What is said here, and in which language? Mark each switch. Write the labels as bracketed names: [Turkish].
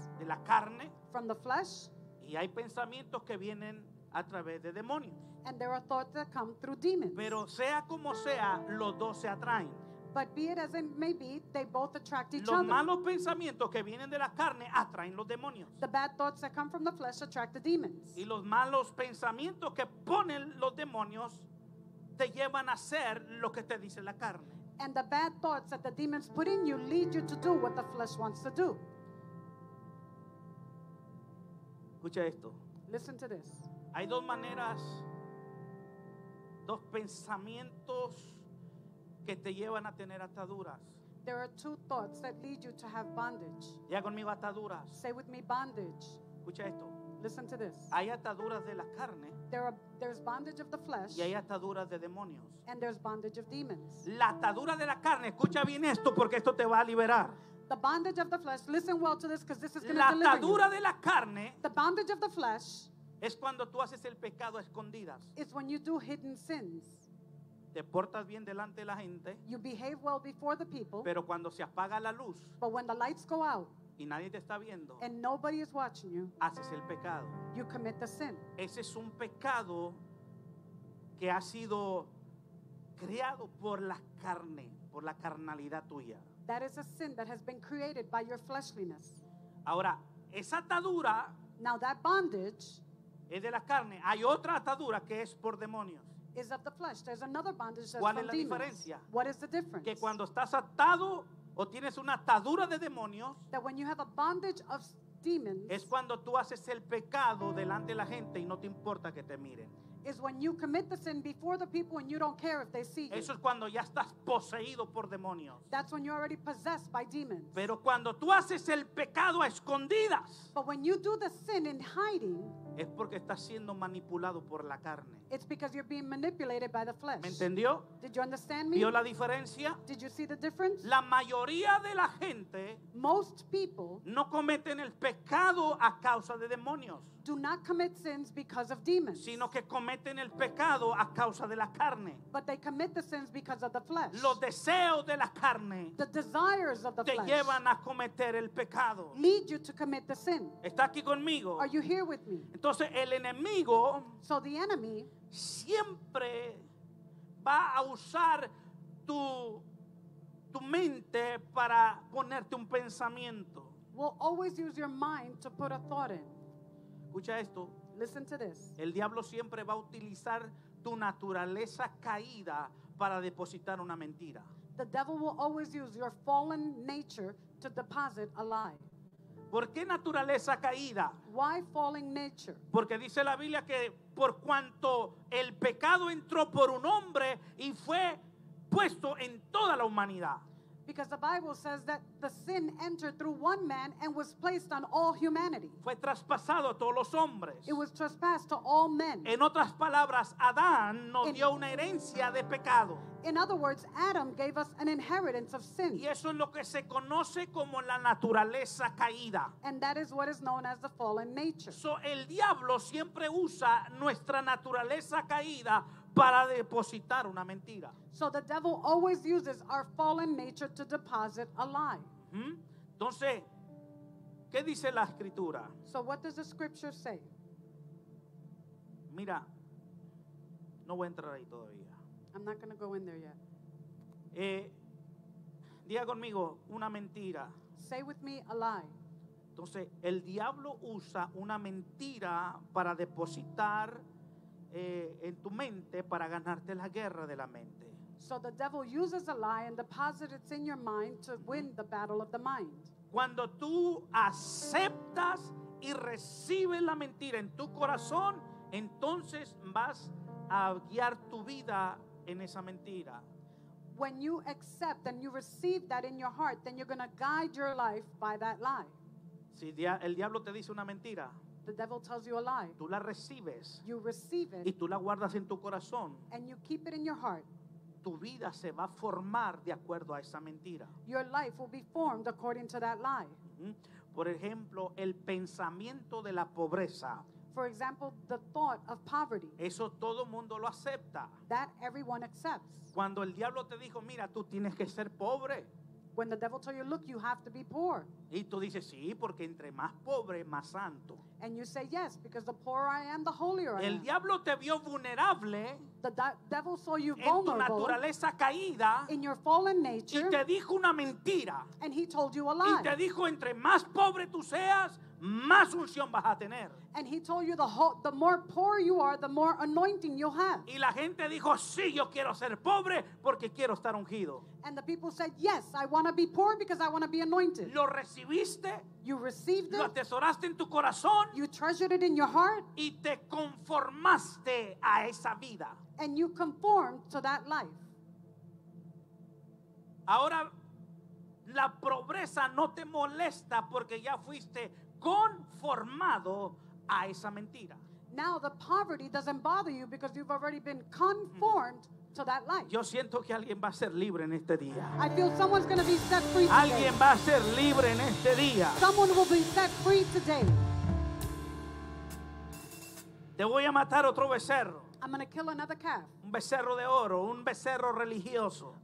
[Spanish] De la carne. [English] From the flesh. [Spanish] Y hay pensamientos que vienen a través de demonios. [English] And there are thoughts that come through demons. [Spanish] Pero sea como sea, los dos se atraen. [English] But be it as it may be, they both attract each other. [Spanish] Los malos pensamientos que vienen de la carne atraen los demonios. [English] The bad thoughts that come from the flesh attract the demons. [Spanish] Y los malos pensamientos que ponen los demonios te llevan a hacer lo que te dice la carne. [English] And the bad thoughts that the demons put in you lead you to do what the flesh wants to do. [Spanish] Escucha esto. [English] Listen to this. [Spanish] Hay dos maneras, dos pensamientos que te llevan a tener ataduras. [English] There are two thoughts that lead you to have bondage. [Spanish] Ya conmigo ataduras. [English] Say with me bondage. [Spanish] Escucha esto. [English] Listen to this. [Spanish] Hay ataduras de la carne. [English] There's bondage of the flesh. [Spanish] Y hay ataduras de demonios. [English] And there's bondage of demons. [Spanish] La atadura de la carne, escucha bien esto porque esto te va a liberar. [English] The bondage of the flesh. Listen well to this because this is going to deliver you. [Spanish] La atadura de la carne. [English] The bondage of the flesh. [Spanish] Es cuando tú haces el pecado a escondidas. [English] It's when you do hidden sins. [Spanish] Te portas bien delante de la gente. [English] You behave well before the people. [Spanish] Pero cuando se apaga la luz. [English] But when the lights go out. [Spanish] Y nadie te está viendo. [English] And nobody is watching you. [Spanish] Haces el pecado. [English] You commit the sin. [Spanish] Ese es un pecado que ha sido creado por la carne, por la carnalidad tuya. [English] That is a sin that has been created by your fleshliness. [Spanish] Ahora, esa atadura. [English] Now that bondage. [Spanish] Es de la carne. Hay otra atadura que es por demonios. [English] Is of the flesh. There's another bondage that's [Spanish] ¿cuál [English] from [Spanish] es la [English] demons. [Spanish] Diferencia? [English] What is the difference? [Spanish] Que cuando estás atado o tienes una atadura de demonios, [English] that when you have a bondage of demons, [Spanish] es cuando tú haces el pecado delante de la gente y no te importa que te miren. [English] Is when you commit the sin before the people and you don't care if they see you. [Spanish] Eso es cuando ya estás poseído por demonios. [English] That's when you're already possessed by demons. [Spanish] Pero cuando tú haces el pecado a escondidas, [English] but when you do the sin in hiding, [Spanish] es porque estás siendo manipulado por la carne. [English] It's because you're being manipulated by the flesh. [Spanish] ¿Me entendió? [English] Did you understand me? [Spanish] ¿Vio la diferencia? [English] Did you see the difference? [Spanish] La mayoría de la gente, [English] most people, [Spanish] no cometen el pecado a causa de demonios. [English] Do not commit sins because of demons. [Spanish] Sino que cometen el pecado a causa de la carne. [English] But they commit the sins because of the flesh. [Spanish] Los deseos de la carne, [English] the desires of the [Spanish] te [English] flesh, [Spanish] llevan a cometer el pecado. [English] Lead you to commit the sin. [Spanish] ¿Está aquí conmigo? [English] Are you here with me? [Spanish] Entonces el enemigo, [English] so the enemy, [Spanish] siempre va a usar tu mente para ponerte un pensamiento. [English] Will always use your mind to put a thought in. [Spanish] Escucha esto. [English] Listen to this. [Spanish] El diablo siempre va a utilizar tu naturaleza caída para depositar una mentira. [English] The devil will always use your fallen nature to deposit a lie. [Spanish] ¿Por qué naturaleza caída? [English] Why falling nature? [Spanish] Porque dice la Biblia que por cuanto el pecado entró por un hombre y fue puesto en toda la humanidad. [English] Because the Bible says that the sin entered through one man and was placed on all humanity. [Spanish] Fue traspasado a todos los hombres. [English] It was trespassed to all men. [Spanish] En otras palabras, Adán nos dio una herencia de pecado. [English] In other words, Adam gave us an inheritance of sin. [Spanish] Y eso es lo que se conoce como la naturaleza caída. [English] And that is what is known as the fallen nature. [Spanish] So el diablo siempre usa nuestra naturaleza caída para depositar una mentira. [English] So the devil always uses our fallen nature to deposit a lie. [Spanish] Entonces, ¿qué dice la escritura? [English] So what does the scripture say? [Spanish] Mira, no voy a entrar ahí todavía. [English] I'm not going to go in there yet. [Spanish] Diga conmigo una mentira. [English] Say with me a lie. [Spanish] Entonces, el diablo usa una mentira para depositar en tu mente para ganarte la guerra de la mente. [English] So the devil uses a lie and deposits it in your mind to win the battle of the mind. [Spanish] Cuando tú aceptas y recibes la mentira en tu corazón, entonces vas a guiar tu vida en esa mentira. [English] When you accept and you receive that in your heart, then you're going to guide your life by that lie. [Spanish] Si el diablo te dice una mentira, [English] the devil tells you a lie. [Spanish] Tú la recibes. [English] You receive it. [Spanish] Y tú la guardas en tu corazón. [English] And you keep it in your heart. [Spanish] Tu vida se va a formar de acuerdo a esa mentira. [English] Your life will be formed according to that lie. [Spanish] Por ejemplo, el pensamiento de la pobreza. [English] for example, the thought of poverty. [Spanish] Eso todo mundo lo acepta. [English] That everyone accepts. [Spanish] Cuando el diablo te dijo, mira, tú tienes que ser pobre. [English] When the devil told you, look, you have to be poor. [Spanish] Y tú dices, sí, porque entre más pobre, más santo. [English] And you say, yes, because the poorer I am, the holier I am. [Spanish] El diablo te vio vulnerable. [English] The devil saw you vulnerable. [Spanish] En tu naturaleza caída. [English] In your fallen nature. [Spanish] Y te dijo una mentira. [English] And he told you a lie. [Spanish] Y te dijo, entre más pobre tú seas, más unción vas a tener. [English] And he told you the more poor you are, the more anointing you'll have. [Spanish] Y la gente dijo, sí, yo quiero ser pobre porque quiero estar ungido. [English] And the people said, yes, I want to be poor because I want to be anointed. [Spanish] Lo recibiste. [English] You received it. [Spanish] Lo atesoraste en tu corazón. [English] You treasured it in your heart. [Spanish] Y te conformaste a esa vida. [English] And you conformed to that life. [Spanish] Ahora, la pobreza no te molesta porque ya fuiste conformado a esa mentira. [English] Now the poverty doesn't bother you because you've already been conformed to that life. [Spanish] Yo siento que alguien va a ser libre en este día. [English] I feel someone's going to be set free today. [Spanish] Alguien va a ser libre en este día. [English] Someone will be set free today. [Spanish] Te voy a matar otro becerro. [English] I'm going to kill another calf. [Spanish] Un becerro de oro, un becerro religioso.